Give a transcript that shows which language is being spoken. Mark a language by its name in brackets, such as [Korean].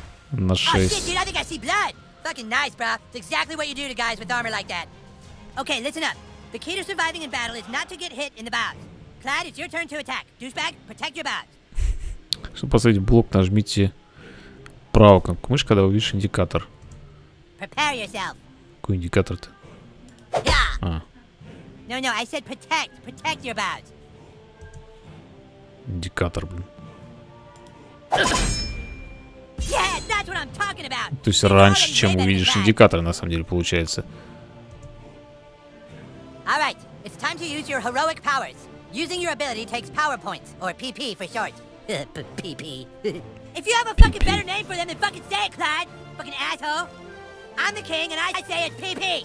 [Russian] На шесть. [English] Fucking nice, bro. It's exactly what you do to guys with armor like that. Okay, listen up. The key to surviving in battle is not to get hit in the bows. Clyde, it's your turn to attack. Douchebag, protect your bows. [Russian] Чтобы поставить блок, нажмите правую кнопку мыши, когда увидишь индикатор. [English] Prepare yourself. [Russian] Какой индикатор-то? [English] No, no, I said protect. Protect your bows. [Russian] Индикатор, блин. [English] Yeah, that's what I'm talking about. [Russian] То есть раньше, чем увидишь индикатор, на самом деле, получается. [English] All right, it's time to use your heroic powers. Using your ability takes power points, or PP for short. PP. If you have a fucking better name for them, then fucking say it, Clyde. Fucking asshole. I'm the king, and I say it's PP.